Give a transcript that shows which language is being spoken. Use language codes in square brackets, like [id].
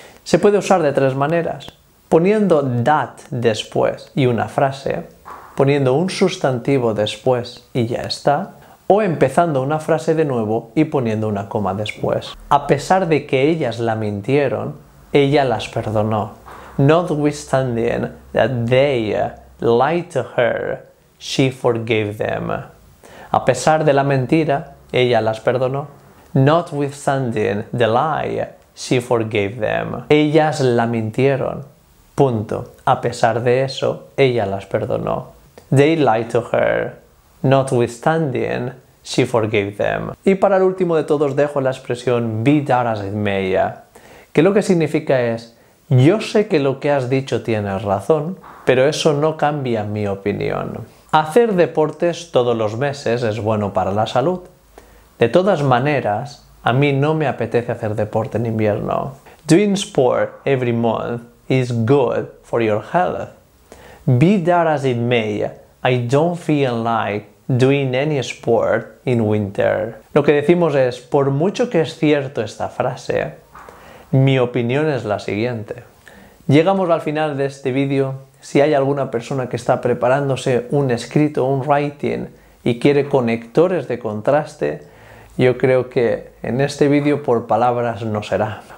[es] Se puede usar de tres maneras. Poniendo that después y una frase, poniendo un sustantivo después y ya está, o empezando una frase de nuevo y poniendo una coma después. A pesar de que ellas la mintieron, ella las perdonó. [en] Notwithstanding that they lied to her, she forgave them. [es] A pesar de la mentira, ella las perdonó. [en] Notwithstanding the lie, she forgave them. [es] Ellas la mintieron. Punto. A pesar de eso, ella las perdonó. [en] They lied to her. Notwithstanding, she forgave them. [es] Y para el último de todos dejo la expresión be that as it may, que lo que significa es yo sé que lo que has dicho tienes razón, pero eso no cambia mi opinión. Hacer deportes todos los meses es bueno para la salud. De todas maneras, a mí no me apetece hacer deporte en invierno. [en] Doing sport every month is good for your health. Be that as it may, I don't feel like doing any sport in winter. [es] Lo que decimos es, por mucho que es cierto esta frase, mi opinión es la siguiente. Llegamos al final de este vídeo. Si hay alguna persona que está preparándose un escrito, un writing y quiere conectores de contraste, yo creo que en este vídeo por palabras no será.